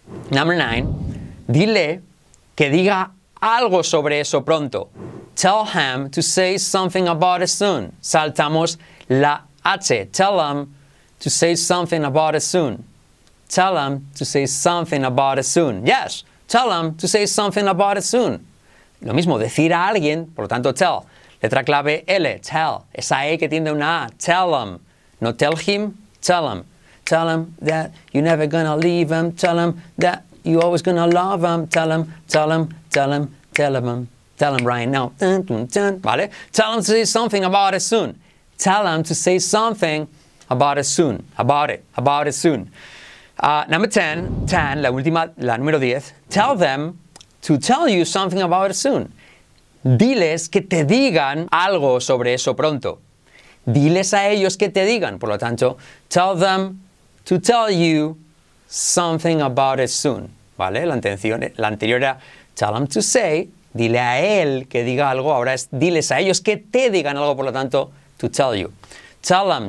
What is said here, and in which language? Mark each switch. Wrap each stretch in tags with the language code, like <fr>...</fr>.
<en>Number 9.</en> <es>Dile que diga algo sobre eso pronto.</es> <en>Tell him to say something about it soon.</en> <es>Saltamos la H.</es> <en>Tell him to say something about it soon. Tell him to say something about it soon. Yes. tell them to say something about it soon.</en> <es>Lo mismo, decir a alguien, por lo tanto, tell. Letra clave L, tell. Esa E que tiende a una A, tell them.</es> <en>No tell him, tell them. Tell them that you're never gonna leave them. Tell them that you're always gonna love them. Tell them, tell them, tell them, tell them. Tell them right now. Dun, dun, dun. ¿Vale? Tell them to say something about it soon. Tell them to say something about it soon. About it. About it soon. Number 10. 10.</en> <es>La última. La número 10.</es> <en>Tell them to tell you something about it soon.</en> <es>Diles que te digan algo sobre eso pronto. Diles a ellos que te digan. Por lo tanto,</es> <en>tell them to tell you something about it soon.</en> <es>¿Vale? La intención, la anterior era</es> <en>tell them to say.</en> <es>Dile a él que diga algo. Ahora es diles a ellos que te digan algo. Por lo tanto,</es> <en>to tell you. Tell them.</en>